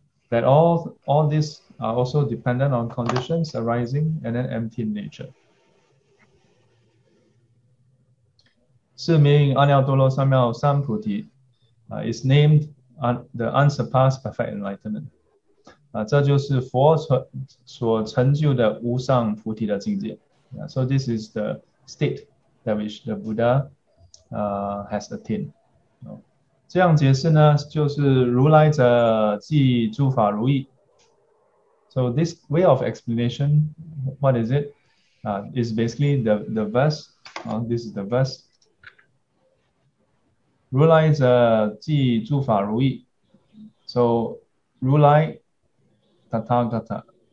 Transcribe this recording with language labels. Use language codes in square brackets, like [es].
[en] That all these are also dependent on conditions arising and then empty in nature. [zh] 四名阿耨多罗三藐三菩提, [en] is named the unsurpassed perfect enlightenment. [zh] 这就是佛所成就的无上菩提的境界. [en] So this is the state that which the Buddha has attained. [zh] 这样解释呢，就是如来者即诸法如意。 [en] So this way of explanation, what is it? Is basically the verse. This is the verse. [zh] 如来者即诸法如意。 [en] So 如来，Tathagata。